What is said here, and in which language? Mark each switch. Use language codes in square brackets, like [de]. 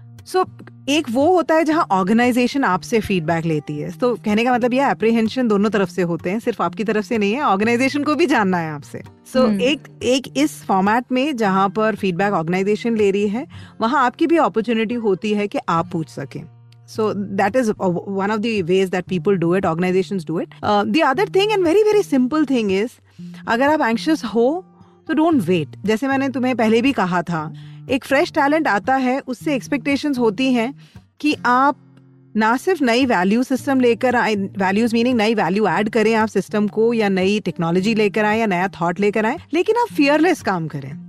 [hi] So एक वो होता है जहाँ ऑर्गेनाइजेशन आपसे फीडबैक लेती है, तो कहने का मतलब ये अप्रिहेंशन दोनों तरफ से होते हैं, सिर्फ आपकी तरफ से नहीं है, ऑर्गेनाइजेशन को भी जानना है आपसे. सो एक इस फॉर्मेट में जहाँ पर फीडबैक ऑर्गेनाइजेशन ले रही है, वहाँ आपकी भी अपॉर्चुनिटी होती है कि आप पूछ सकें. [en] So that is one of the ways that people do it, organizations do it. The other thing and very very simple thing is, [hi] अगर आप anxious हो तो [en] don't wait. [hi] जैसे मैंने तुम्हें पहले भी कहा था, एक फ्रेश टैलेंट आता है, उससे एक्सपेक्टेशंस होती हैं कि आप ना सिर्फ नई वैल्यू सिस्टम लेकर आए, वैल्यूज मीनिंग नई वैल्यू ऐड करें आप सिस्टम को, या नई टेक्नोलॉजी लेकर आए या नया थॉट लेकर आए, लेकिन आप फियरलेस काम करें.